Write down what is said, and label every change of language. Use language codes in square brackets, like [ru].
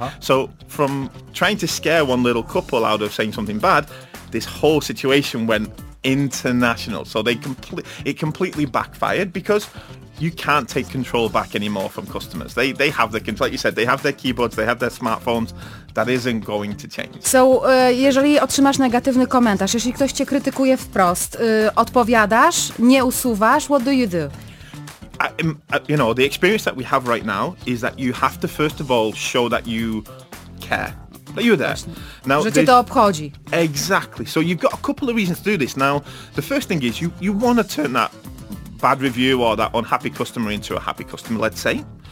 [en] Uh-huh. So from trying to scare one little couple out of saying something bad, this whole situation went international. So it completely backfired because you can't take control back anymore from customers. They have their control. Like you said, they have their keyboards, they have their smartphones. That isn't going to change. [pl] So, jeżeli otrzymasz negatywny komentarz, jeśli ktoś cię krytykuje wprost, odpowiadasz, nie usuwasz, [en] what do you do? You know, the experience that we have right now is that you have to first of all show that you care. Are you there? [pl] Now, że cię to obchodzi. [en] Exactly. So you've got a couple of reasons to do this. Now, the first thing is you want to turn that bad review or that unhappy customer into a happy customer, let's say.